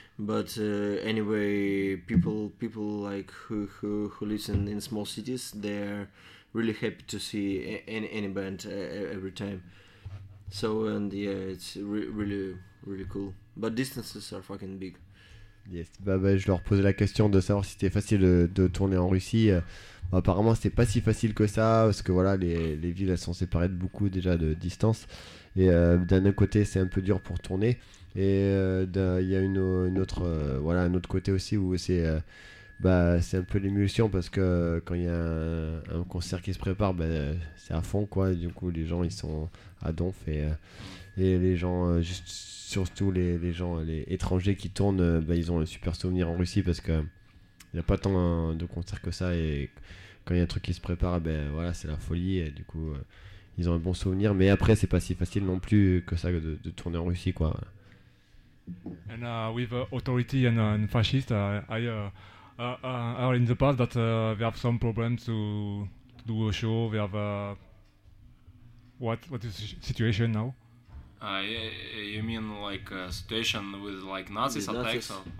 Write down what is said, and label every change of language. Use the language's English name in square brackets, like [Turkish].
[English] But anyway, people like who listen in small cities, they're really happy to see any band every time. So, and yeah, it's really really cool, but distances are fucking big. [French] Yes, bah, je leur posais la question de savoir si c'était facile de tourner en Russie. Bah, apparemment c'était pas si facile que ça, parce que voilà, les villes elles sont séparées de beaucoup déjà de distance, et d'un côté c'est un peu dur pour tourner, et il y a un autre côté aussi où c'est bah, c'est un peu l'émulsion, parce que quand il y a un concert qui se prépare, bah, c'est à fond quoi, du coup les gens ils sont à donf, et les gens, juste, surtout les gens, les étrangers qui tournent, bah, ils ont un super souvenir en Russie, parce que il n'y a pas tant de concerts que ça, et quand il y a un truc qui se prépare, bah, voilà, c'est la folie, et du coup ils ont un bon souvenir. Mais après c'est pas si facile non plus que ça de tourner en Russie quoi. [English] And with authority and fascist, I heard in the past that they have some problems to do a show. They have what is the situation now? You mean like a situation with like Nazis attacks?